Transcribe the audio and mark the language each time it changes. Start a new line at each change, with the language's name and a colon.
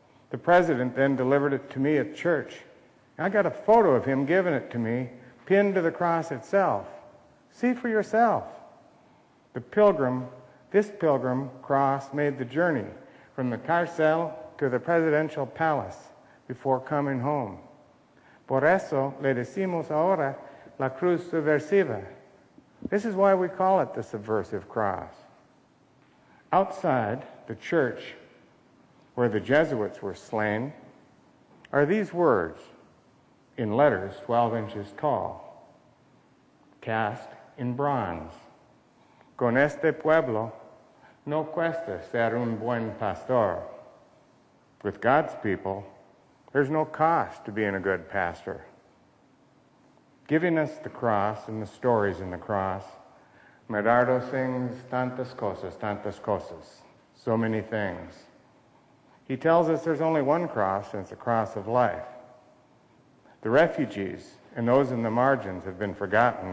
English: The president then delivered it to me at church. I got a photo of him giving it to me, pinned to the cross itself. See for yourself. This pilgrim cross made the journey from the carcel to the presidential palace before coming home.
Spanish: Por eso le decimos ahora la cruz subversiva.
English: This is why we call it the subversive cross. Outside the church where the Jesuits were slain are these words in letters 12 inches tall. Cast in bronze.
Spanish: Con este pueblo, no cuesta ser un buen pastor.
English: With God's people, there's no cost to being a good pastor. Giving us the cross and the stories in the cross, Medardo sings
Spanish: tantas cosas,
English: so many things. He tells us there's only one cross, and it's the cross of life. The refugees and those in the margins have been forgotten.